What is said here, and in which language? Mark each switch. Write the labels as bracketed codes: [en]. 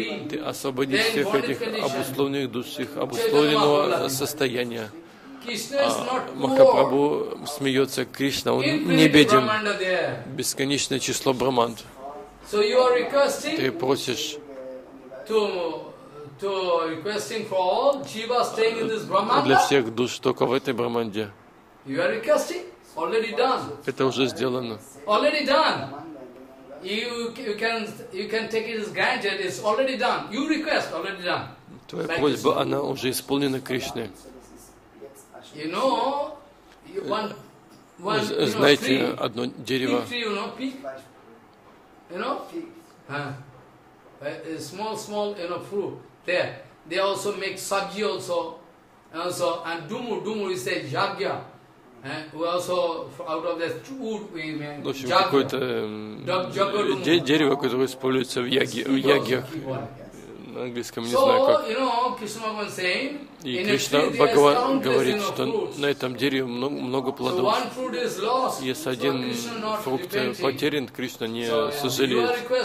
[ru] Ты освободишь всех этих обусловленных душ, их обусловленного состояния. А Махапрабху смеется, Кришна, он не беден. Бесконечное число браманд. [en] So you are requesting to requesting for all jiva staying in this Brahmanda. [ru] Для всех душ только в этой Брахманде. [en] You are requesting? Already done. [ru] Это уже сделано. [en] Already done. You can take it as granted. It's already done. You request already done. [ru] Твоя просьба, она уже исполнена Кришной. [en] You know, one. [ru] Знаете, одно дерево. [en] You know, huh? Small, you know, fruit there. They also make sabji also, and dumur is a jagya. We also out of that wood we make. [ru] В общем, какое-то дерево, которое используется в ягьях. На английском не знаю как. [en] So, you know, Krishna was saying. [ru] И Кришна Бхагаван говорит, что на этом дереве много плодов. Если один фрукт потерян, Кришна не сожалеет.